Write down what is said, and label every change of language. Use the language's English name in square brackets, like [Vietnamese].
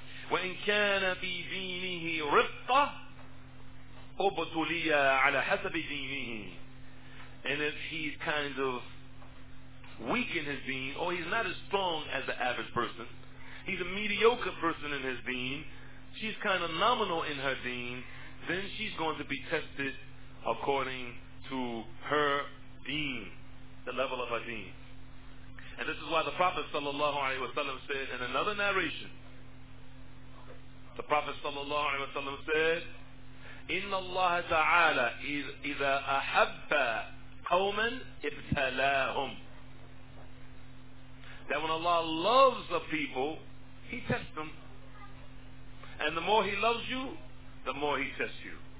[Arabic] وَإِنْ كَانَ فِي دِينِهِ رِفَّةٌ أُبْتُلِيَ عَلَى حَسَبِ دِينِهِ, [English] and if he's kind of weak in his deen, or he's not as strong as the average person, he's a mediocre person in his deen, she's kind of nominal in her deen, then she's going to be tested according to her deen, the level of her deen. And this is why the Prophet sallallahu alaihi wasallam said in another narration, the Prophet sallallahu alaihi wasallam said, [Arabic] إن الله تعالى إذا أحب قوما ابتلاهم. [English] That when Allah loves a people, He tests them. And the more He loves you, the more He tests you.